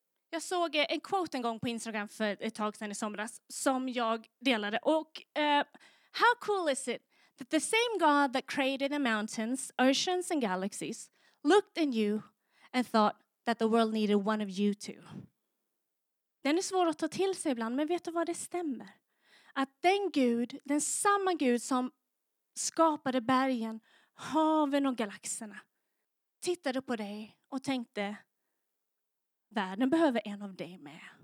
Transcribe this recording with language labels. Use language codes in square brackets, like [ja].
[sv] Jag såg en quote en gång på Instagram för ett tag sedan i somras som jag delade. [en] Och how cool is it? That the same God that created the mountains, oceans and galaxies looked in you and thought that the world needed one of you too. [sv] Den är svår att ta till sig ibland, men vet du vad det stämmer? Att den Gud, den samma Gud som skapade bergen, haven och galaxerna, tittade på dig och tänkte, världen behöver en av dig med.